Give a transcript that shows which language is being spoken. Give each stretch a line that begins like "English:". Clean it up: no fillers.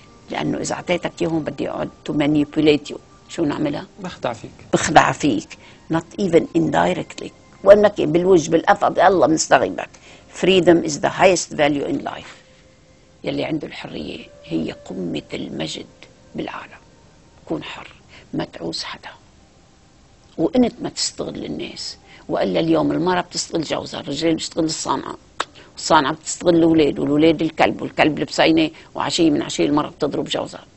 Arabic: لأنه إذا أعطيتك إياهم بدي أقعد
English: to manipulate you.
Arabic: شو نعملها؟ بخدع فيك. بخدع فيك.
English: Not even indirectly.
Arabic: وين ما كان بالوج بالقفا بالله بنستغيبك.
English: Freedom is the highest value in life.
Arabic: يلي عنده الحرية هي قمة المجد بالعالم. كون حر. ما تعوز حدا. وانت ما تستغل الناس. والا اليوم المرأة بتستغل جوزها، الرجال بيشتغل الصانعة. الصانعة بتستغل الأولاد، والأولاد الكلب، والكلب البسينة، وعشية من عشية المرأة بتضرب جوزها.